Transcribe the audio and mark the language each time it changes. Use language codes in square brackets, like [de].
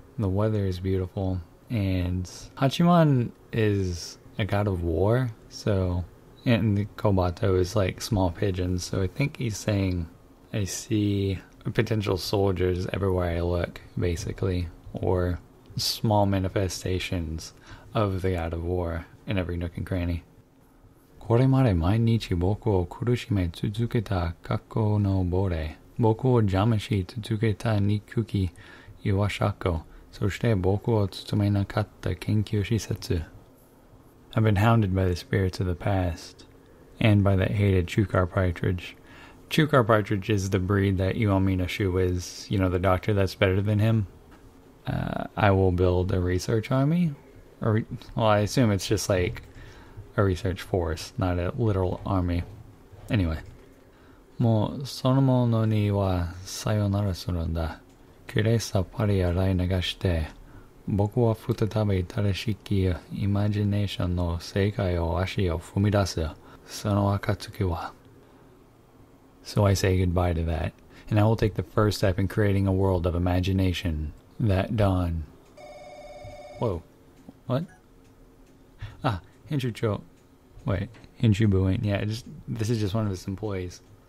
[en] The weather is beautiful, and Hachiman is a god of war, so, and Kobato is like small pigeons, so I think he's saying, I see potential soldiers everywhere I look, basically, or small manifestations of the God of War in every nook and cranny. [ja] これまで毎日僕を苦しめ続けた過去の亡霊、僕を邪魔し続けた憎きイワシャコ、そして僕を包めなかった研究施設。 [en] I've been hounded by the spirits of the past and by that hated Chukar Partridge. Chukar Partridge is the breed that Iwamina Shu is, you know, the doctor that's better than him. I will build a research army. I assume it's just like a research force, not a literal army. Anyway. [ja] もうそのものにはさよならするんだ。綺麗さっぱり洗い流して。僕は再び正しきイマジネーションの世界を足を踏み出す。その暁は。 [en] So I say goodbye to that, and I will take the first step in creating a world of imagination, that dawn. Whoa. What? Ah, Hinchucho. Wait, Hinchubu ain't. Yeah, this is just one of his employees.